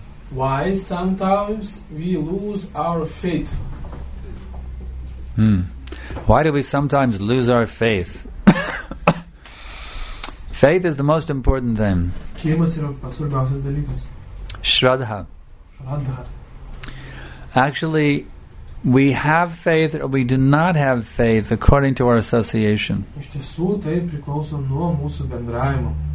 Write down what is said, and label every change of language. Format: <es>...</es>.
<en>Why sometimes we lose our faith? Why do we sometimes lose our faith? Faith is the most important thing.</en> <lt>Tikėjimas yra pats svarbiausias dalykas.</lt> <sa>Shraddha. Shraddha.</sa> <en>Actually, we have faith or we do not have faith according to our association.</en> <lt>Iš tiesų, tai priklauso nuo mūsų bendravimo.</lt>